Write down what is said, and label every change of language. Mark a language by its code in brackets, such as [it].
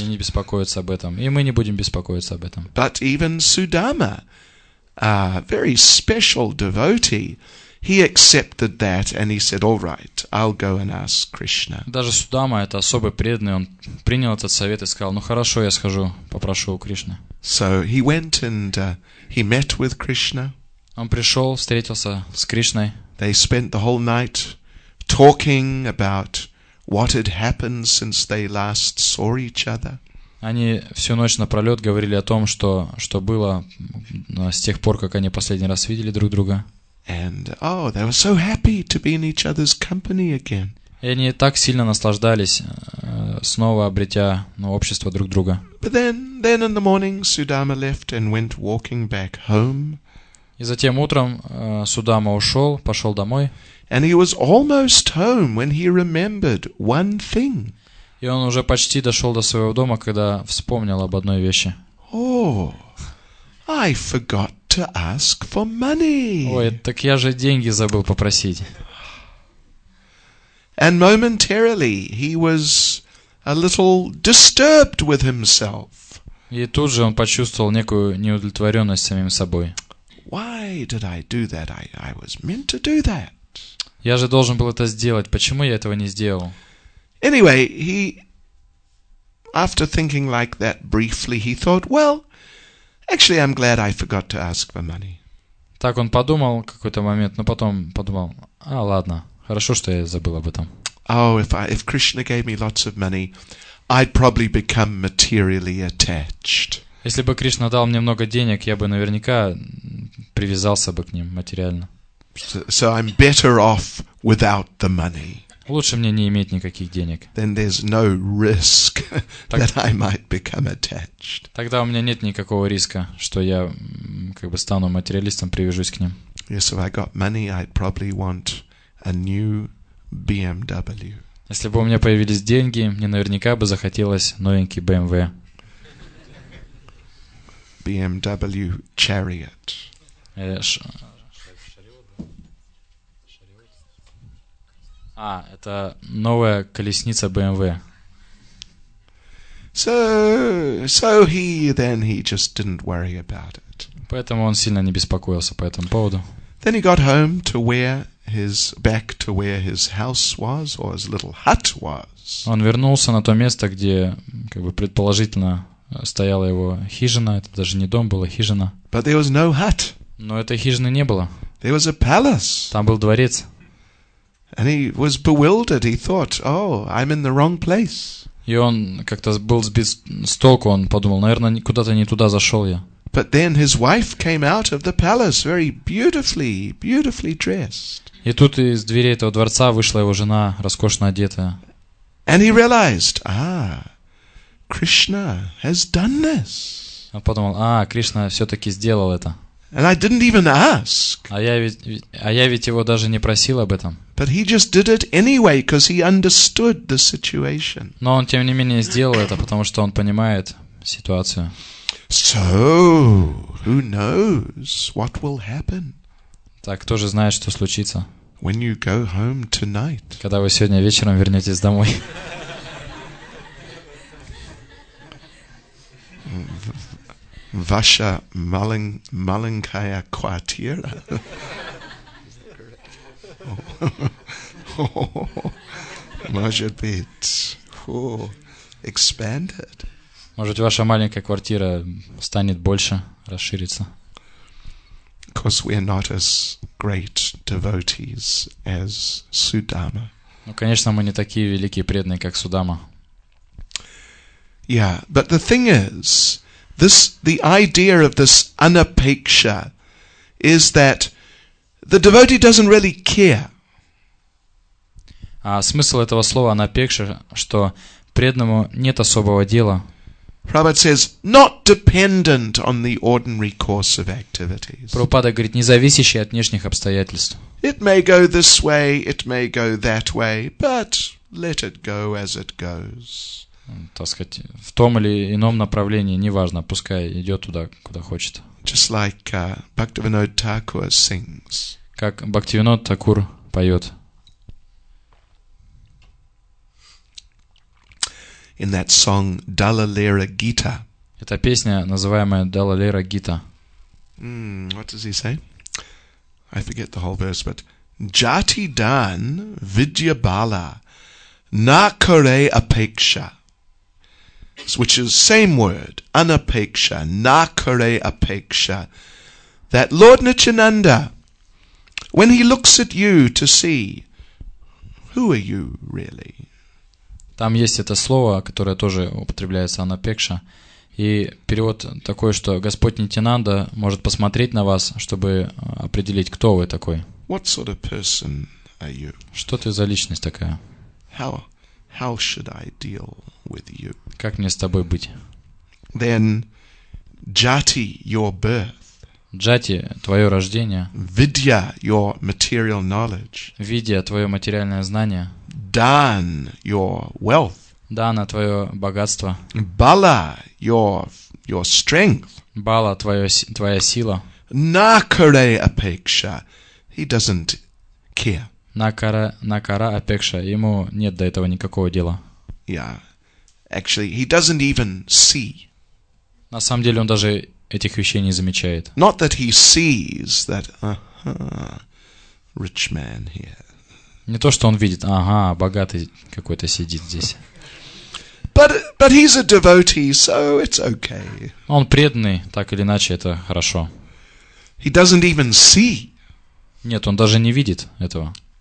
[ru] И не беспокоиться об этом. И мы не будем беспокоиться об этом. [en] But even Sudama, a very special devotee, he accepted that and he said, "All right, I'll go and ask Krishna." [ru] Даже Судама, это особый преданный, он принял этот совет и сказал: "Ну хорошо, я схожу, попрошу у Кришны." [en] So he went and he met with Krishna. [ru] Он пришел, встретился с Кришной. [en] They spent the whole night talking about what had happened since they last saw each other. [ru] Они всю ночь напролет говорили о том, что было с тех пор, как они последний раз видели друг друга. [en] And they were so happy to be in each other's company again. [ru] И они так сильно наслаждались снова обретя общество друг друга. [en] But then in the morning Sudama left and went walking back home. [ru] И затем утром Судама ушел, пошел домой. [en] And he was almost home when he remembered one thing. [ru] И он уже почти дошел до своего дома, когда вспомнил об одной вещи. [en] Oh, I forgot to ask for money. [ru] Ой, так я же деньги забыл попросить. [en] And momentarily he was a little disturbed with himself. [ru] И тут же он почувствовал некую неудовлетворенность самим собой. [en] Why did I do that? I was meant to do that. [ru] Я же должен был это сделать. Почему я этого не сделал? [en] Anyway, he, after thinking like that briefly, he thought, well, actually, I'm glad I forgot to ask for money. [ru] Так он подумал какой-то момент, но потом подумал, а ладно. Хорошо, что я забыл об этом. [en] Oh, if Krishna gave me lots of money, I'd probably become materially attached. [ru] Если бы Кришна дал мне много денег, я бы наверняка привязался бы к ним материально. [en] So I'm better off without the money. [ru] Лучше мне не иметь никаких денег. [en] Then there's no risk that I might become attached. [ru] Тогда у меня нет никакого риска, что я как бы стану материалистом, привяжусь к ним. [en] Yes, if I got money, I'd probably want a new BMW. [ru] Если бы у меня появились деньги, мне наверняка бы захотелось новенький BMW. [en] BMW Chariot. [ru] А, это новая колесница BMW. [en] So he just didn't worry about it. [ru] Поэтому он сильно не беспокоился по этому поводу. [en] Then he got home to where his back to where his house was or his little hut was. [ru] Он вернулся на то место, где как бы предположительно стояла его хижина, это даже не дом был, а хижина. [en] But there was no hut. [ru] Но этой хижины не было. [en] There was a palace. [ru] Там был дворец. [en] And he was bewildered. He thought, "Oh, I'm in the wrong place." [ru] И он как-то был сбит с толку, он подумал, наверное, куда-то не туда зашел я. [en] But then his wife came out of the palace very beautifully, beautifully dressed. [ru] И тут из дверей этого дворца вышла его жена, роскошно одетая. [en] And he realized, Krishna has done this. [ru] Он подумал, Кришна все-таки сделал это. [en] And I didn't even ask. [ru] А я ведь его даже не просил об этом. [en] But he just did it anyway, because he understood the situation. [ru] Но он тем не менее сделал это, потому что он понимает ситуацию. [en] So, who knows what will happen? [ru] Так, кто же знает, что случится? [en] When you go home tonight. [ru] Когда вы сегодня вечером вернетесь домой. Ваша маленькая квартира. Может быть, [en] expanded. [ru] Может, ваша маленькая квартира станет больше, расширится. [en] Because we are not as great devotees as Sudama. [ru] Ну, конечно, мы не такие великие преданные, как Судама. [en] Yeah, but the thing is, the idea of this anapeksha is that the devotee doesn't really care. [ru] А смысл этого слова anapeksha, что преданному нет особого дела. [en] Prabhupada says, not dependent on the ordinary course of activities. [ru] Прабхупада говорит, не зависящий от внешних обстоятельств. [en] It may go this way, it may go that way, but let it go as it goes. [ru] Так сказать, в том или ином направлении, неважно, пускай идет туда, куда хочет. [en] Just like Bhaktivinoda Thakur sings. [ru] Как Бхактивинода Такур поет. [en] In that song Dalalera Gita. [ru] Эта песня, называемая Dalalera Gita. [en] What does he say? I forget the whole verse, but [bn] Jati Dan Vidyabala Nakare Apeksha. [en] Which is same word, anapeksha, nakare apeksha. That Lord Nityananda, when he looks at you to see, who are you really? [ru] Там есть это слово, которое тоже употребляется, анапекша. И перевод такой, что Господь Нитинанда может посмотреть на вас, чтобы определить, кто вы такой. [en] What sort of person are you? [ru] Что ты за личность такая? [en] How should I deal with? with you? [ru] Как мне с тобой быть? [en] Then jati, your birth. [ru] Jati, твое рождение. [en] Vidya, your material knowledge. [ru] Vidya, твое материальное знание. [en] Dan, your wealth. [ru] Dana, твое богатство. [en] Bala, your strength. [ru] Bala, твоя сила. [bn] Nakare apeksha, [en] he doesn't care. [ru] Накара апекша, ему нет до этого никакого дела. [en] Yeah, actually, he doesn't even see. [ru] На самом деле, он даже этих вещей не замечает. [en] Not that he sees that, rich man here. [ru] Не то, что он видит, ага, богатый какой-то сидит здесь. [en] But he's a devotee, so it's okay. [ru] Он преданный, так или иначе, это хорошо. [en] He doesn't even see. [ru] Нет, он даже не видит этого.